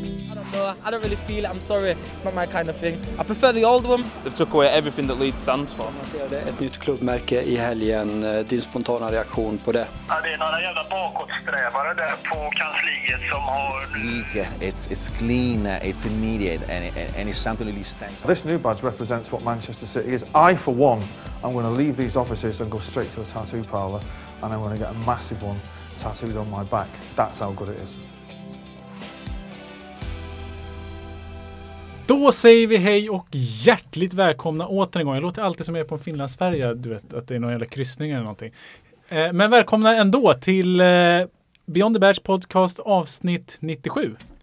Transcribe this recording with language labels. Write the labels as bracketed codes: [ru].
[en] I don't know, I don't really feel it, I'm sorry. It's not my kind of thing. I prefer the old one. They've took away everything that Leeds stands for. [sv] Ett nytt klubbmärke i helgen, din spontana reaktion på det. Ja, det är några jävla bakåtsträvare där på kansliet som har... [en] It's clean, it's immediate and it's something really stands for. This new badge represents what Manchester City is. I, for one, I'm going to leave these offices and go straight to a tattoo parlor and I'm going to get a massive one tattooed on my back. That's how good it is. [sv] Då säger vi hej och hjärtligt välkomna åter en gång. Jag låter alltid som jag är på en Finlandsfärja, du vet, att det är någon jävla kryssning eller någonting. Men välkomna ändå till Beyond the Badge podcast avsnitt 97.